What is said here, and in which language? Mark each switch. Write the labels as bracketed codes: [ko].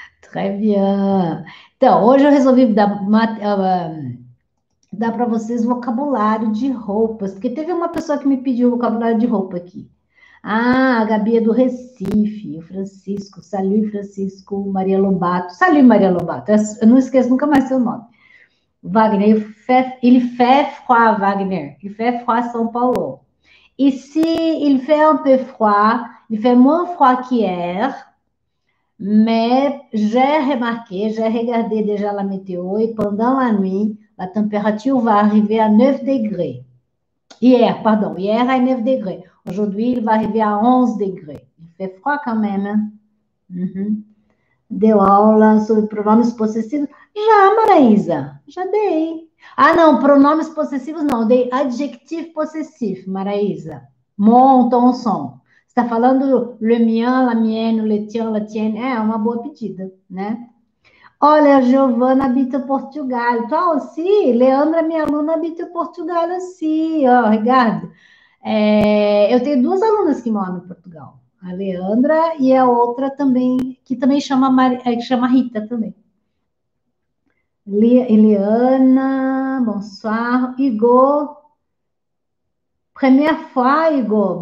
[pt] Très bien. Então, hoje eu resolvi dar para vocês vocabulário de roupas, porque teve uma pessoa que me pediu vocabulário de roupa aqui. Ah, a Gabi é do Recife, o Francisco, salut Francisco, Maria Lobato, salut Maria Lobato, eu não esqueço nunca mais seu nome. [fr] Wagner, il fait froid, Wagner, il fait froid São Paulo. Ici, il fait un peu froid, il fait moins froid qu'hier, mais j'ai regardé déjà la météo et pendant la nuit, la température va arriver à 9 degrés. Hier, pardon, hier à 9 degrés. Aujourd'hui, il va arriver à 11 degrés. Il fait froid quand même. [pt] Deu aula sobre pronomes possessivos? Já, Maraísa, já dei. Ah, não, pronomes possessivos não, dei adjectif possessif, Maraísa. [fr] Mon, ton, son. [pt] Você está falando [fr] le mien, la mienne, le tien, la tienne. [pt] É uma boa pedida, né? Olha, Giovana habita Portugal. Tu, sim, Leandra, minha aluna, habita Portugal, sim. Ó, obrigado. É, eu tenho duas alunas que moram em Portugal. A Leandra e a outra também, que também chama, chama Rita também. [fr] Eliana, bonsoir. Igor, première fois, Igor.